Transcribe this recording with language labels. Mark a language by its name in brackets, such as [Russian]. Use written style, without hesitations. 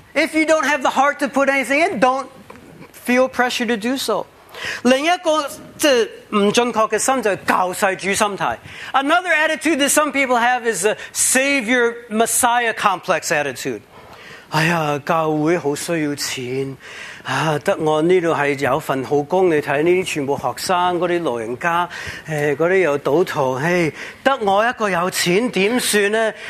[English] If you don't have the heart to put anything in, don't feel pressure to do so. [Cantonese] 另一个即唔准确嘅心就教世主心态。 [English] Another attitude that some people have is a savior messiah complex attitude. [Cantonese] 哎呀，教会好需要钱啊，得我呢度系有份好工，你睇呢啲全部学生嗰啲老人家，嗰啲又赌徒，得我一个有钱点算呢？